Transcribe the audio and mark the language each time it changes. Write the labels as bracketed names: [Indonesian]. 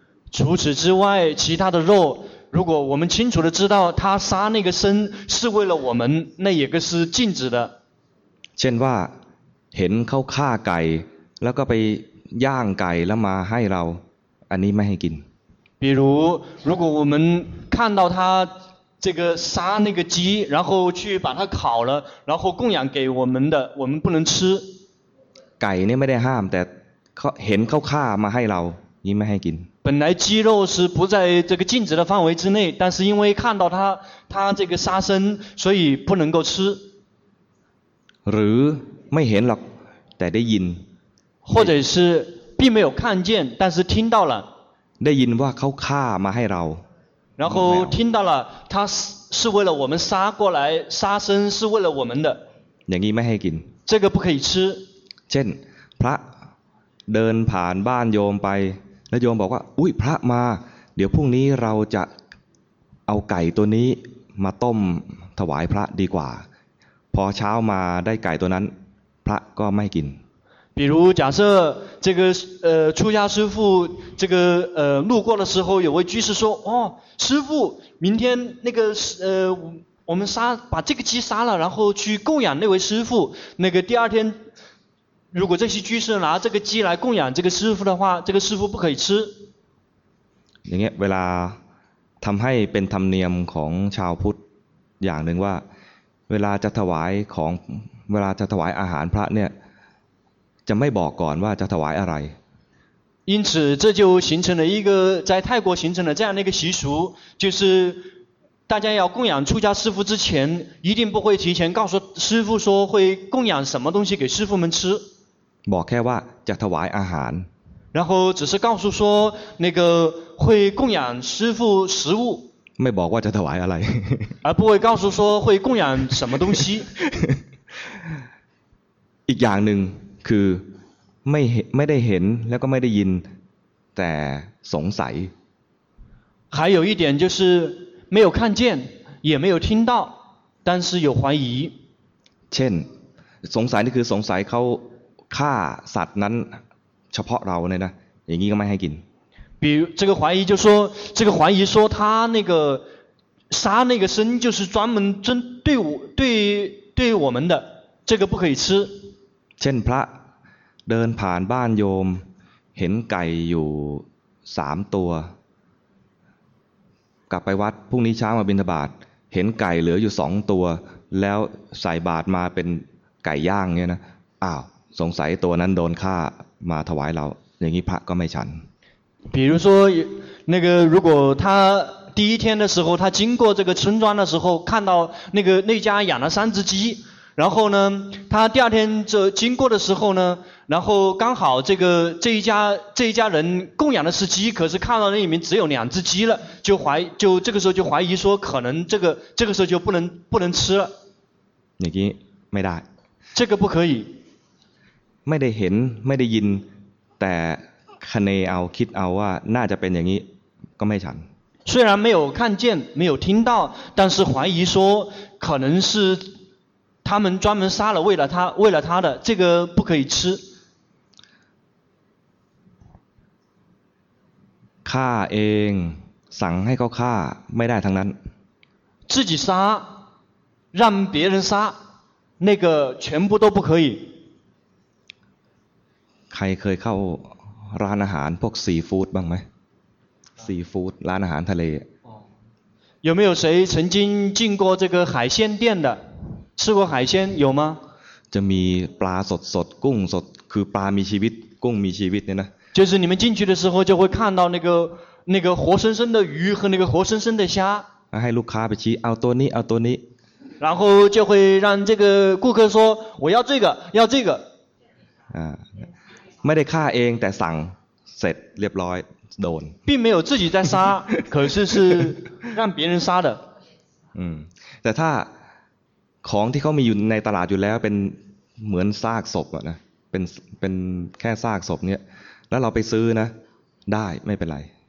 [Chinese] 除此之外其他的肉如果我们清楚的知道他杀那个生是为了我们那也个是禁止的 [Thai] เช่นว่าเห็นเขาฆ่าไก่แล้วก็ไปย่างไก่แล้วมาให้เราอันนี้ไม่ให้กิน [Chinese] 比如如果我们看到他这个杀那个鸡然后去把它烤了然后供养给我们的我们不能吃 [Thai] ไก่เนี่ยไม่ได้ห้ามแต่เห็นเขาฆ่ามาให้เรานี่ไม่ให้กิน [Chinese] 本来鸡肉是不在这个禁止的范围之内但是因为看到他这个杀生所以不能够吃 [Thai] หรือไม่เห็นหรอกแต่ได้ยิน [Chinese] 或者是并没有看见但是听到了 [Thai] ได้ยินว่าเขาฆ่ามาให้เรา [Chinese] 然后听到了他是为了我们杀过来杀生是为了我们的 [Thai] อย่างนี้ไม่ให้กิน [Chinese] 这个不可以吃 [Thai] เช่นพระเดินผ่านบ้านโยมไปแล้วโยมบอกว่าอุ๊ยพระมาเดี๋ยวพรุ่งนี้เราจะเอาไก่ตัวนี้มาต้มถวายพระดีกว่าพอเช้ามาได้ไก่ตัวนั้นพระก็ไม่กิน [Chinese] 比如假设这个出家师父这个路过的时候有位居士说哦师父明天那个我们杀把这个鸡杀了然后去供养那位师父那个第二天如果这些居士拿这个鸡来供养这个师父的话这个师父不可以吃 [Thai] อย่างเงี้ยเวลาทำให้เป็นธรรมเนียมของชาวพุทธอย่างหนึ่งว่าเวลาจะถวายของเวลาจะถวายอาหารพระเนี่ยจะไม่บอกก่อนว่าจะถวายอะไร [Chinese] 因此这就形成了一个在泰国形成了这样的一个习俗就是大家要供养出家师父之前一定不会提前告诉师父说会供养什么东西给师父们吃 [Thai] บอกแค่ว่าจะถวายอาหาร [Chinese] 然后只是告诉说那个会供养师父食物 [Thai] ไม่บอกว่าจะถวายอะไร [Chinese] 而不会告诉说会供养什么东西 [Thai] อีกอย่างหนึ่งคือไม่ได้เห็นแล้วก็ไม่ได้ยินแต่สงสัย [Chinese] 还有一点就是没有看见也没有听到但是有怀疑 [Thai] เช่นสงสัยนี่คือสงสัยเขาฆ่าสัตว์นั้นเฉพาะเราเนี่ยนะอย่างนี้ก็ไม่ให้กิน [Chinese] 比如这个怀疑就说这个怀疑说他那个杀那个生就是专门针对我对我们的这个不可以吃 [Thai] เช่นพระเดินผ่านบ้านโยมเห็นไก่อยู่3ตัวกลับไปวัดพรุ่งนี้เช้ามาบิณฑบาตเห็นไก่เหลืออยู่2ตัวแล้วใส่บาตรมาเป็นไก่ย่างเนี่ยนะอ้าวสงสัยตัวนั้นโดนฆ่ามาถวายเราอย่างนี้พระก็ไม่ฉัน [Chinese] 比如说那个如果他第一天的时候他经过这个村庄的时候看到那个那家养了三只鸡然后呢他第二天就经过的时候呢然后刚好这一家人供养的是鸡可是看到那里面只有两只鸡了就这个时候就怀疑说可能这个时候就不能吃了你给没带这个不可以没得见没得见 [Thai] แต่คะเนเอาคิดเอาว่าน่าจะเป็นอย่างนี้ก็ไม่ฉัน [Chinese] 虽然没有看见没有听到，但是怀疑说可能是他们专门杀了为了他的，这个不可以吃。 [Thai] ฆ่าเองสั่งให้เขาฆ่าไม่ได้ทั้งนั้น [Chinese] 自己杀让别人杀那个全部都不可以。 [Thai] ใครเคยเข้าร้านอาหารพวกซีฟู้ดบ้างไหมซีฟู้ดร้านอาหารทะเล [Chinese] 有没有谁曾经进过这个海鲜店的吃过海鲜有吗 [Thai] จะมีปลาสดสดกุ้งสดคือปลามีชีวิตกุ้งมีชีวิตเนี่ยนะ [Chinese] 就是你们进去的时候就会看到那个活生生的鱼和那个活生生的虾 [Thai] ให้ลูกค้าไปชี้เอาตัวนี้เอาตัวนี้ [Chinese] 然后就会让这个顾客说我要这个要这个 [Thai] ไม่ได้ฆ่าเองแต่สั่งเสร็จเรียบร้อยโดน [Chinese] 并没有自己在杀可是是让别人杀的 [Thai] แต่ถ้าของที่เขามีอยู่ในตลาดอยู่แล้วเป็นเหมือนซากศพอะนะเป็นแค่ซากศพเนี้ยแล้วเราไปซื้อนะได้ไม่เป็นไร